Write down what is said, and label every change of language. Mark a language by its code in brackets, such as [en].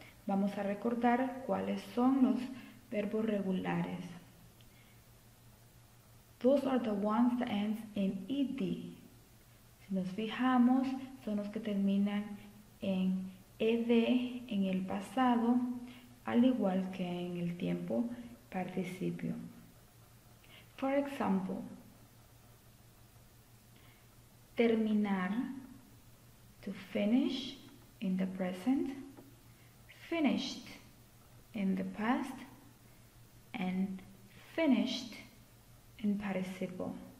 [es] Vamos a recordar cuáles son los verbos regulares. [en] Those are the ones that end in ed. [es] Si nos fijamos, son los que terminan en ed en el pasado, al igual que en el tiempo participio. [en] For example, terminar, to finish in the present, finished in the past, and finished in participle.